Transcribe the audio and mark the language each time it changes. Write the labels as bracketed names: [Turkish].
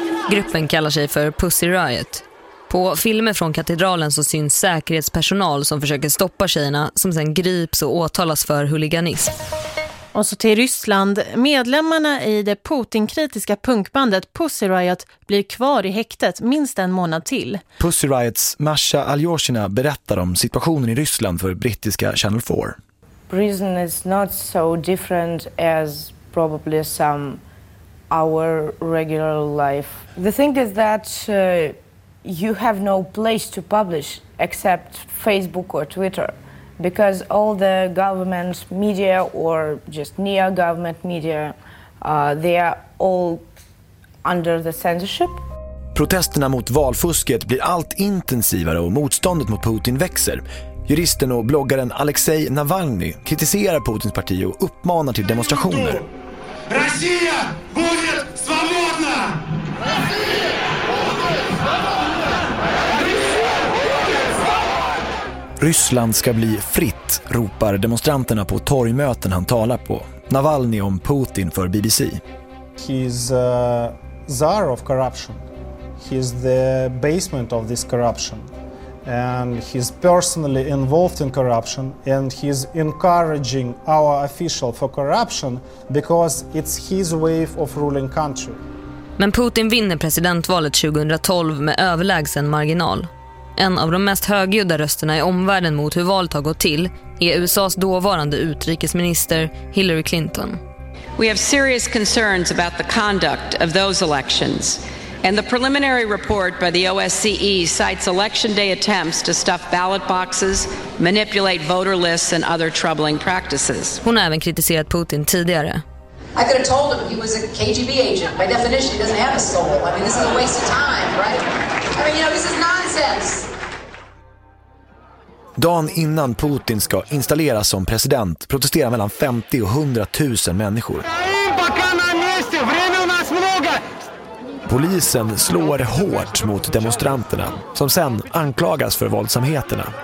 [Swedish] Gruppen kallar sig för Pussy Riot. På filmer från katedralen så syns säkerhetspersonal som försöker stoppa tjejerna som sen grips och åtalas för huliganism. Och så till Ryssland. Medlemmarna i det Putin-kritiska punkbandet Pussy Riot blir kvar i häktet minst en månad till. Pussy Riots Masha Aljoshina berättar om situationen i Ryssland för brittiska Channel 4. [English] Prison is not so different as probably some our regular life. The thing is that you have no place to publish except Facebook or Twitter. Because all the government media or just neo-government media, they are all under the censorship. [Swedish] Protesterna mot valfusket blir allt intensivare och motståndet mot Putin växer. Juristen och bloggaren Alexej Navalny kritiserar Putins parti och uppmanar till demonstrationer. [Russian] Россия будет свободна! [Swedish] Ryssland ska bli fritt, ropar demonstranterna på torgmöten han talar på. Navalny om Putin för BBC. [English] He's a czar of corruption. He's the basement of this corruption. And he's personally involved in corruption. And he's encouraging our official for corruption because it's his way of ruling country. [Swedish] Men Putin vinner presidentvalet 2012 med överlägsen marginal. En av de mest högljudda rösterna i omvärlden mot hur valet har gått till är USA:s dåvarande utrikesminister Hillary Clinton. [English] We have serious concerns about the conduct of those elections. And the preliminary report by the OSCE cites election day attempts to stuff ballot boxes, manipulate voter lists and other troubling practices. [Swedish] Hon har även kritiserat Putin tidigare. [English] I could have told him he was a KGB agent. By definition, he doesn't have a soul. I mean, this is a waste of time, right? I mean, you know, this is nonsense. [Swedish] Dagen innan Putin ska installeras som president protesterar mellan 50 och 100 000 människor. Polisen slår hårt mot demonstranterna som sen anklagas för våldsamheterna.